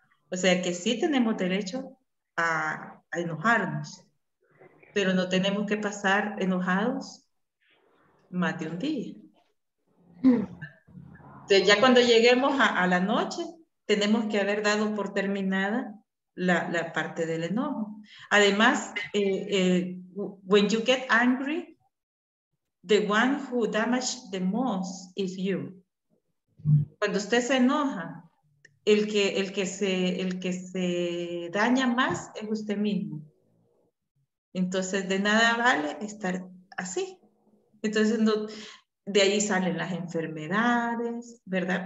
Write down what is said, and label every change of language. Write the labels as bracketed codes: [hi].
[es] O sea que sí tenemos derecho a enojarnos, pero no tenemos que pasar enojados más de un día. Entonces ya cuando lleguemos a la noche, tenemos que haber dado por terminada la parte del enojo. [en] Además, when you get angry, the one who damages the most is you. [es] Cuando usted se enoja, El que se daña más es usted mismo. Entonces, de nada vale estar así. Entonces, no, de ahí salen las enfermedades, ¿verdad?